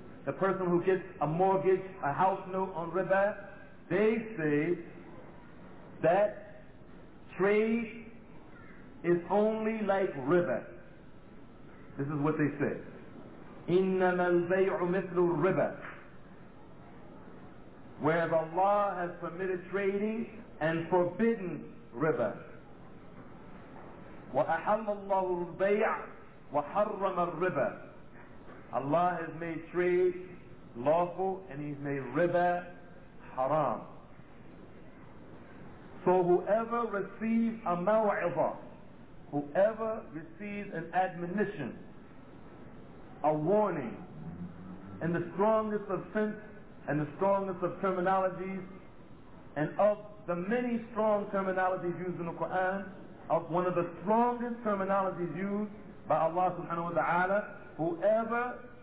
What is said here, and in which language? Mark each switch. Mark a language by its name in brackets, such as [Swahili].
[English] the person who gets a mortgage, a house note on riba, they say that trade is only like riba. This is what they say. [Arabic] إنما البيع مثل الربا. [English] Where Allah has permitted trading and forbidden riba. [Arabic] وأحل الله البيع وحرم الربا. [English] Allah has made trade lawful and He's made riba haram. So whoever receives a maw'idha, whoever receives an admonition, a warning, in the strongest of sense and the strongest of terminologies, and of the many strong terminologies used in the Quran, of one of the strongest terminologies used by Allah subhanahu wa ta'ala, whoever